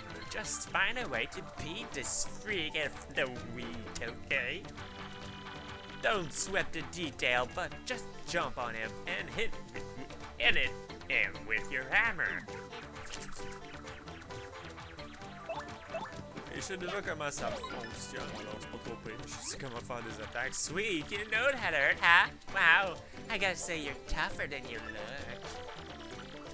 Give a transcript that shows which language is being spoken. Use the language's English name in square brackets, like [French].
[English] Just find a way to beat this freak of the wheat, okay? Don't sweat the detail, but just jump on him and hit him with your hammer. [French] Je sais déjà comment ça fonctionne, alors c'est pas trop pire. Je sais comment faire des attaques. [English] Sweet, you know that hurt, huh? Wow, I gotta say you're tougher than you look.